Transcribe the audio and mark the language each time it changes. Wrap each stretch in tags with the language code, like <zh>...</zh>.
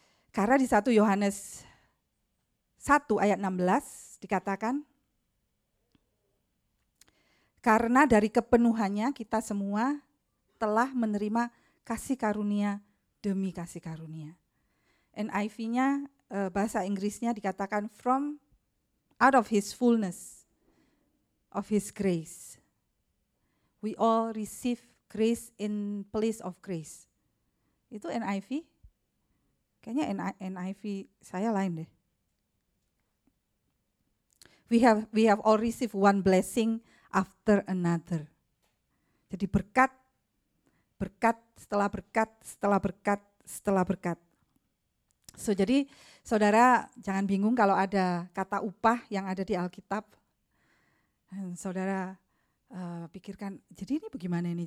<id>Karena di 1 Yohanes 1 ayat 16 dikatakan, karena dari kepenuhannya kita semua telah menerima kasih karunia demi kasih karunia. NIV-nya bahasa Inggrisnya dikatakan</id> <en>from out of his fullness of his grace. We all receive grace in place of grace.</en> <id>Itu NIV? Kayaknya NIV saya lain deh.</id> <en>We have all received one blessing after another.</en> <id>Jadi berkat, berkat setelah berkat, setelah berkat, setelah berkat.</id> <en>So,</en> <id>jadi saudara jangan bingung kalau ada kata upah yang ada di Alkitab. Dan saudara pikirkan, jadi ini bagaimana ini?</id>